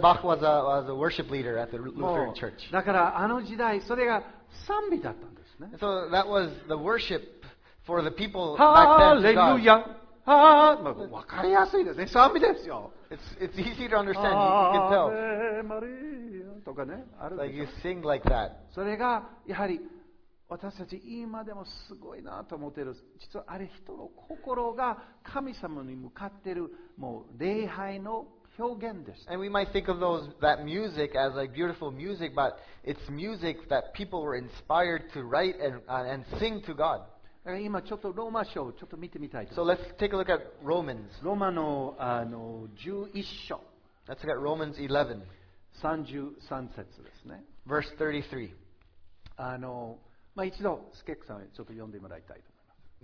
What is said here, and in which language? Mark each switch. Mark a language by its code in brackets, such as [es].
[en] Bach was a worship leader at the Lutheran Church. [ja] だからあの時代それが賛美だったんですね。 [en] So that was the worship for the people back then. Hallelujah. [ja] まあ、分かりやすいですね。賛美ですよ。 [en] It's easy to understand. You can tell. [ja] とかね、あるでしょ。 [en] Like you sing like that. [ja] それがやはり私たち今でもすごいなと思っている。実はあれ人の心が神様に向かっているもう礼拝の表現です。 [en] And we might think of those that music as like beautiful music, but it's music that people were inspired to write and sing to God. [ja] 今ちょっとローマ書をちょっと見てみたいと思います。 [en] So let's take a look at Romans. [ja] ローマの、11章。 [en] Let's look at Romans 11. [ja] 33節ですね。 [en] Verse 33. [ja] まあ、一度、スケックさんにちょっと読んでもらいたいと思います。